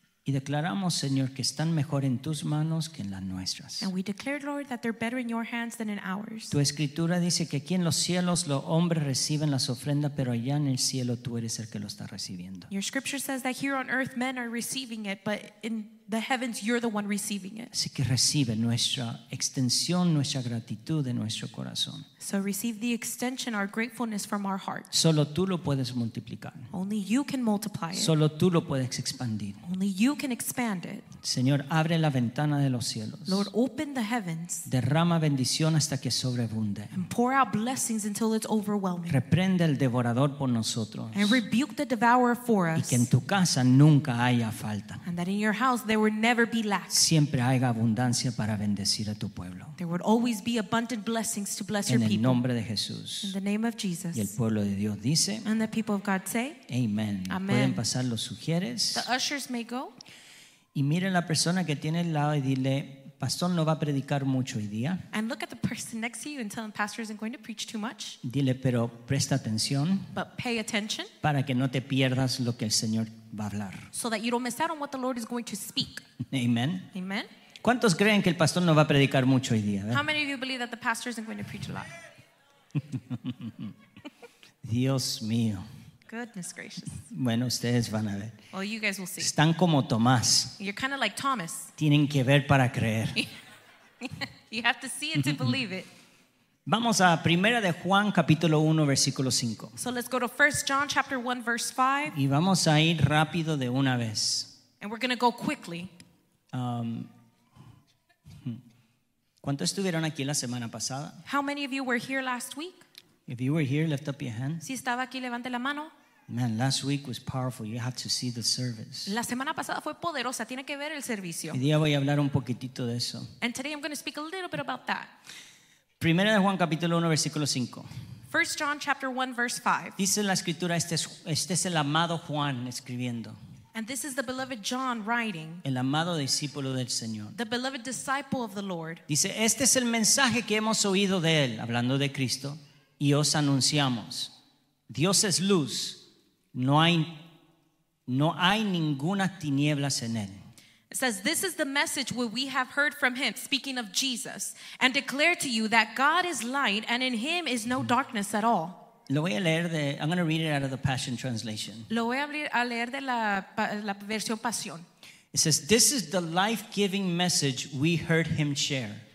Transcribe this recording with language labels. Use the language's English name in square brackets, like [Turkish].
[Spanish] Y declaramos, Señor, que están mejor en tus manos que en las nuestras. [English] And we declare, Lord, that they're better in your hands than in ours. [Spanish] Tu escritura dice que aquí en los cielos los hombres reciben las ofrendas, pero allá en el cielo tú eres el que lo está recibiendo. [English] Your scripture says that here on earth men are receiving it, but in the heavens you're the one receiving it. [Spanish] Así que recibe nuestra extensión, nuestra gratitud de nuestro corazón. [English] So receive the extension, our gratefulness from our heart. [Spanish] Solo tú lo puedes multiplicar. [English] Only you can multiply it. [Spanish] Solo tú lo puedes expandir. [English] Only you can expand it. [Spanish] Señor, abre la ventana de los cielos. [English] Lord, open the heavens. [Spanish] Derrama bendición hasta que sobreabunde. [English] And pour out blessings until it's overwhelming. [Spanish] Reprende el devorador por nosotros. [English] And rebuke the devourer for us. [Spanish] Y que en tu casa nunca haya falta. [English] And that in your house there would never be lack. [Spanish] Siempre haya abundancia para bendecir a tu pueblo. [English] There would always be abundant blessings to bless your people. [Spanish] En el nombre de Jesús. [English] In the name of Jesus. [Spanish] Y el pueblo de Dios dice. [English] And the people of God say. [Spanish] Amen. [English] Amen. [Spanish] Pueden pasar los sugieres. [English] The ushers may go. [Spanish] Y miren la persona que tiene al lado y dile, pastor no va a predicar mucho hoy día. [English] And look at the person next to you and tell them, pastor isn't going to preach too much. [Spanish] Dile, pero presta atención. [English] But pay attention. [Spanish] Para que no te pierdas lo que el Señor va a hablar. [English] So that you don't miss out on what the Lord is going to speak. [Spanish] Amen. [English] Amen. [Spanish] ¿Cuántos creen que el pastor no va a predicar mucho hoy día? [English] How many of you believe that the pastor isn't going to preach a lot? [Spanish] Dios mío. [English] Goodness gracious. [Spanish] Bueno, ustedes van a ver. [English] Well, you guys will see. [Spanish] Están como Tomás. [English] You're kind of like Thomas. [Spanish] Tienen que ver para creer. [English] You have to see it to believe it. [Spanish] Vamos a Primera de Juan capítulo 1 versículo 5. [English] So let's go to 1 John chapter 1 verse 5. [Spanish] Y vamos a ir rápido de una vez. [English] And we're going to go quickly. [Spanish] ¿Cuántos estuvieron aquí la semana pasada? [English] How many of you were here last week? If you were here, lift up your hand. [Spanish] Si estaba aquí, levante la mano. [English] Man, last week was powerful. You have to see the service. [Spanish] La semana pasada fue poderosa. Tiene que ver el servicio. Hoy día voy a hablar un poquitito de eso. [English] And today I'm going to speak a little bit about that. [Spanish] Primera de Juan capítulo 1, versículo 5. [English] 1 John chapter 1, verse 5. [Spanish] Dice la escritura, este es el amado Juan escribiendo. And this is the beloved John writing. El amado discípulo del Señor. [English] The beloved disciple of the Lord. [Spanish] Dice, este es el mensaje que hemos oído de él, hablando de Cristo. Y os anunciamos, Dios es luz, no hay ninguna tinieblas en él. [English] It says, this is the message where we have heard from him, speaking of Jesus, and declare to you that God is light and in him is no darkness at all. [Spanish] Lo voy a leer de, [English] I'm going to read it out of the Passion Translation. [Spanish] Lo voy a leer de la versión Pasión. [English] It says, this is the life-giving message we heard him share.